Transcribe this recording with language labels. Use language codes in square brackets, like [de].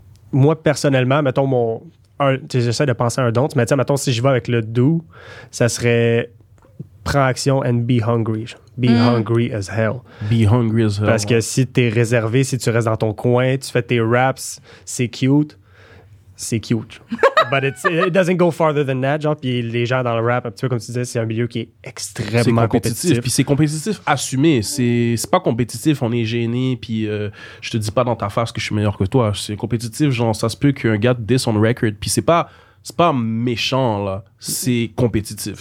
[fr] Moi, personnellement, mettons, j'essaie de penser à un don, mais tiens, mettons, si je vais avec le do, ça serait prends action [en] and be hungry. Hungry as hell. Be hungry as hell. [fr] Parce que si t'es réservé, si tu restes dans ton coin, tu fais tes raps, c'est cute. [en] But it doesn't go farther than that, genre. [fr] Puis les gens dans le rap, un petit peu comme tu disais, c'est un milieu qui est extrêmement compétitif. Puis c'est compétitif assumé. C'est pas compétitif, on est gêné, puis je te dis pas dans ta face que je suis meilleur que toi. C'est compétitif, genre, ça se peut qu'un gars te diss on record. Puis c'est pas méchant, là. C'est compétitif.